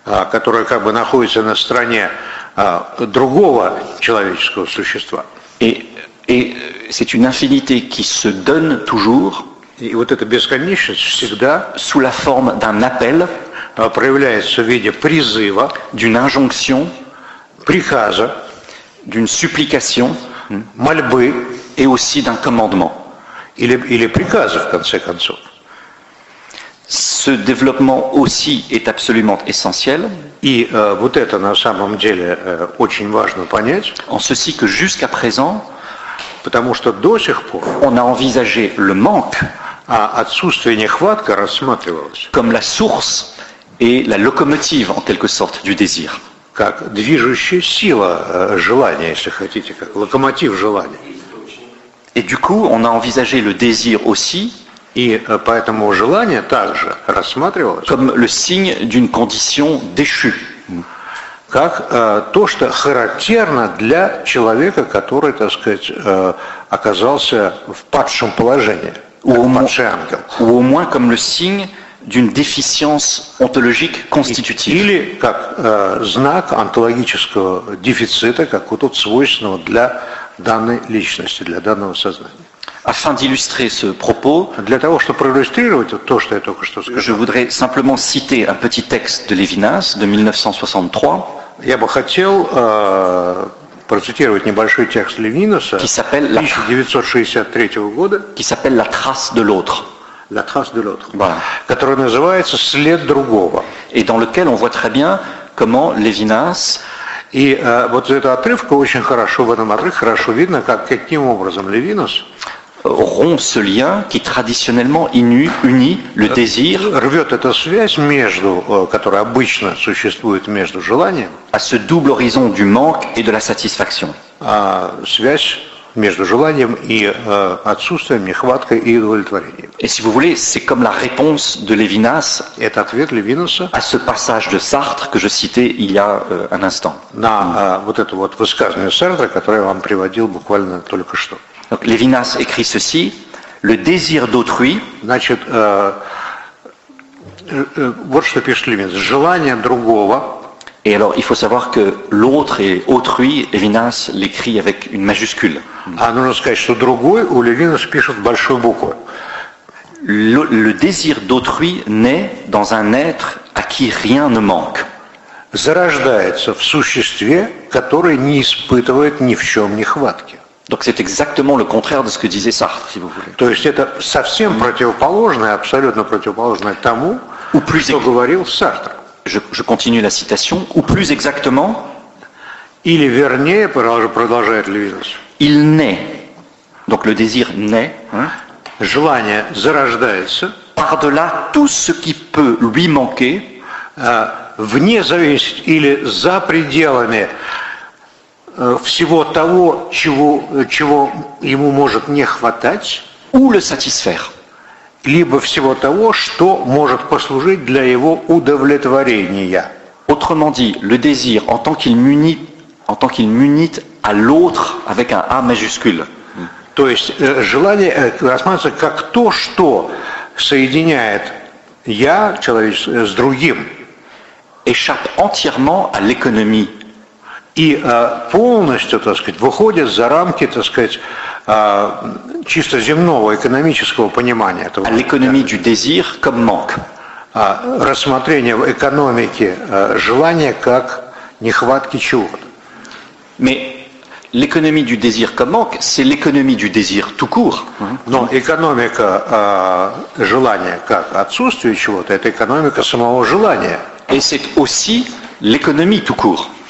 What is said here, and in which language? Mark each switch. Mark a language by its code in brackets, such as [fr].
[ru] который как бы находится на стороне другого человеческого существа. [fr] Et c'est une infinité qui se donne toujours. [ru] И вот эта бесконечность всегда [fr] sous la forme d'un appel, [ru] проявляется в виде призыва, [fr] d'une injonction, [ru] приказа, [fr] d'une supplication, [ru] мольбы, [fr] et aussi d'un commandement. [ru] Или приказа, в конце концов. [fr] Ce développement aussi est absolument essentiel. [ru] И вот это на самом деле очень важно понять. [fr] En ceci que jusqu'à présent, [ru] потому что до сих пор, [fr] on a envisagé le manque, [ru] а отсутствие нехватка рассматривалось, [fr] comme la source et la locomotive en quelque sorte du désir. [ru] Как движущая сила желания, если хотите, как локомотив желания. [fr] Et du coup, on a envisagé le désir aussi. [ru] И поэтому желание также рассматривалось [fr] comme le signe d'une condition déchue, [ru] как то, что характерно для человека, который, так сказать, оказался в падшем положении, падший ангел. [fr] Ou au moins comme le signe d'une déficience ontologique constitutive. [ru] Или как знак онтологического дефицита, как вот тут свойственного для данной личности, для данного сознания. [fr] Afin d'illustrer ce propos, [ru] для того, чтобы проиллюстрировать то, что я только что сказал, [fr] je voudrais simplement citer un petit texte de Levinas de 1963. [ru] Я бы хотел процитировать небольшой текст Левинаса, [fr] qui s'appelle [ru] 1963 года, [fr] qui s'appelle La trace de l'autre, La trace de l'autre, voilà. [ru] Который называется След другого, [fr] et dans lequel on voit très bien comment Levinas. [ru] И вот эта отрывка очень хорошо в этом отрывке хорошо видно, как каким образом Левинас [fr] rompt ce lien qui traditionnellement unit le désir, [ru] рвет эту связь между, которая обычно существует между желанием, [fr] à ce double horizon du manque et de la satisfaction, [ru] связь между желанием и отсутствием, нехваткой и удовлетворением. [fr] Et si vous voulez, c'est comme la réponse de Levinas, [ru] это ответ Левинаса, [fr] à ce passage de Sartre que je citais il y a un instant, [ru] на вот это вот высказывание Сартра, которое я вам приводил буквально только что. [fr] Donc Levinas écrit ceci, le désir d'autrui, [ru] значит, вот что пишет Левинас, желание другого. [fr] Et alors, il faut savoir que l'autre et autrui, Levinas l'écrit avec une majuscule. [ru] Ah, нужно сказать, что другой, у Левинас пишет большой буквой. [fr] Le désir d'autrui naît dans un être à qui rien ne manque. [ru] Зарождается в существе, которое не испытывает ни в чем нехватки. [fr] Donc c'est exactement le contraire de ce que disait Sartre, si vous voulez. [ru] То есть это совсем противоположное, абсолютно противоположное тому, что говорил Сартр. [fr] Je continue la citation. Ou plus exactement, il est vernier, [ru] продолжает Левинас. [fr] Il naît. Donc le désir naît. [ru] Желание зарождается. [fr] Par-delà tout ce qui peut lui manquer, [ru] вне зависимости или за пределами всего того, чего ему может не хватать, [fr] ou le satisfaire. [ru] Либо всего того, что может послужить для его удовлетворения. [fr] Autrement dit, le désir en tant qu'il munit à l'autre avec un A majuscule. [ru] То есть желание рассматривается как то, что соединяет я человечество с другим. [fr] Échappe entièrement à l'économie. [ru] И полностью, так сказать, выходит за рамки, так сказать, чисто земного экономического понимания этого. [fr] À l'économie du désir comme manque. [ru] Рассмотрение в экономике желания как нехватки чего-то. [fr] Mais l'économie du désir comme manque, c'est l'économie du désir tout court. Non, [ru] экономика желания как отсутствие чего-то, это экономика самого желания. [fr] Et c'est aussi l'économie tout court.